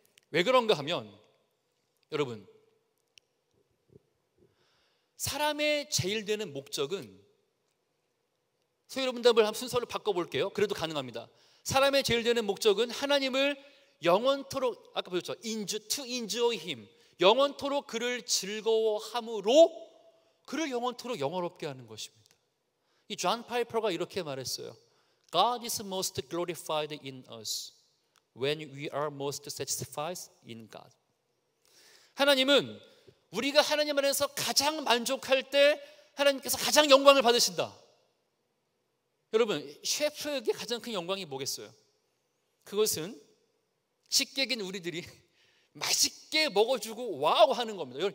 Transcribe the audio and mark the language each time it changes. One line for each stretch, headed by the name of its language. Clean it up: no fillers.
Korean: 왜 그런가 하면 여러분, 사람의 제일 되는 목적은, 소위로 분답을 한번 순서를 바꿔볼게요. 그래도 가능합니다. 사람의 제일 되는 목적은 하나님을 영원토록, 아까 보셨죠?
English: To enjoy him.
Korean: 영원토록 그를 즐거워함으로 그를 영원토록 영원롭게 하는 것입니다. 이 존 파이퍼가 이렇게 말했어요.
English: God is most glorified in us when we are most satisfied in God.
Korean: 하나님은 우리가 하나님 안에서 가장 만족할 때 하나님께서 가장 영광을 받으신다. 여러분, 셰프에게 가장 큰 영광이 뭐겠어요? 그것은 식객인 우리들이 맛있게 먹어주고 와우 하는 겁니다.